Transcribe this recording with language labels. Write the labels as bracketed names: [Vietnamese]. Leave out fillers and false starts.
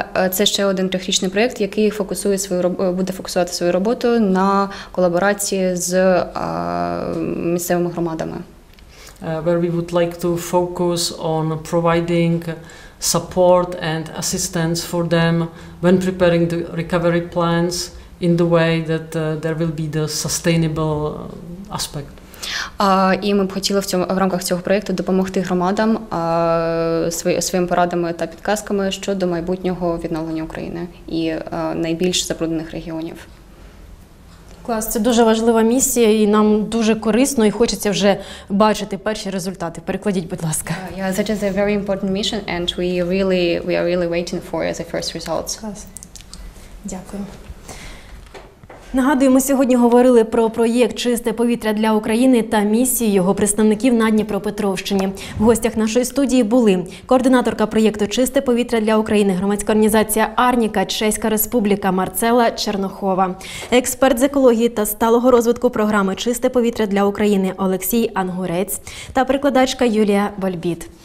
[Ukrainian] Це ще один трьохрічний проєкт, який буде фокусувати свою роботу на колаборації з місцевими громадами. [English] Where we would like to focus on providing support and assistance for them when preparing the recovery plans in the way that there will be the sustainable aspect. [Ukrainian] І ми б хотіли в рамках цього проєкту допомогти громадам своїми порадами та підказками щодо майбутнього відновлення України і найбільш забруднених регіонів. Клас, це дуже важлива місія, і нам дуже корисно, і хочеться вже бачити перші результати. Перекладіть, будь ласка. [English] Yeah, this is a very important mission, and we are really waiting for the first results. [Ukrainian] Клас. Дякую. Нагадую, ми сьогодні говорили про проєкт «Чисте повітря для України» та місію його представників на Дніпропетровщині. В гостях нашої студії були координаторка проєкту «Чисте повітря для України» громадська організація «Арніка» Чеська Республіка Марцела Чернохова, експерт з екології та сталого розвитку програми «Чисте повітря для України» Олексій Ангурець та перекладачка Юлія Вольбіт.